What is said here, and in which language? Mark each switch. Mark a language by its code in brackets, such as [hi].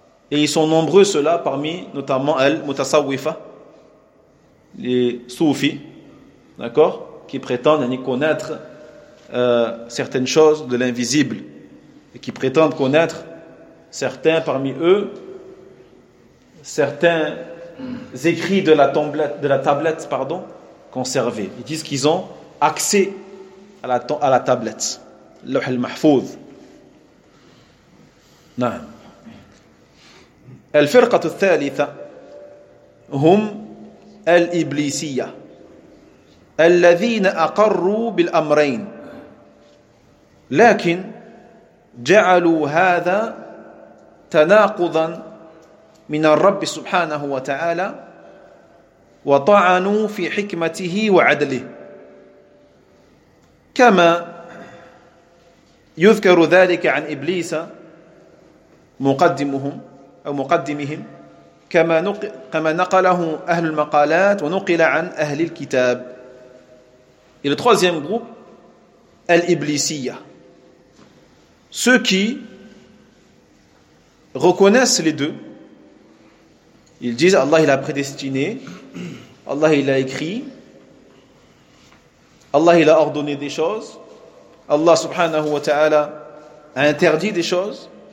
[fr] Et ils sont nombreux ceux-là parmi notamment Al-Mutasawwifa, les soufis, d'accord, qui prétendent connaître certaines choses de l'invisible et qui prétendent connaître certains parmi eux, certains écrits de la tablette, conservés. Ils disent qu'ils ont accès à la tablette, Lawh al-Mahfouz. Non. [ar] الفرقة الثالثة هم الإبليسية الذين أقروا بالأمرين لكن جعلوا هذا تناقضا من الرب سبحانه وتعالى وطعنوا في حكمته وعدله كما يذكر ذلك عن إبليس مقدمهم أو مقدمهم كما نقله أهل المقالات ونقل عن أهل الكتاب. [fr] Et le troisième groupe, Al-Iblisiyya. Ceux qui reconnaissent les deux, ils disent Allah il a prédestiné, Allah il a écrit, Allah il a ordonné des choses, Allah subhanahu wa ta'ala a interdit des choses.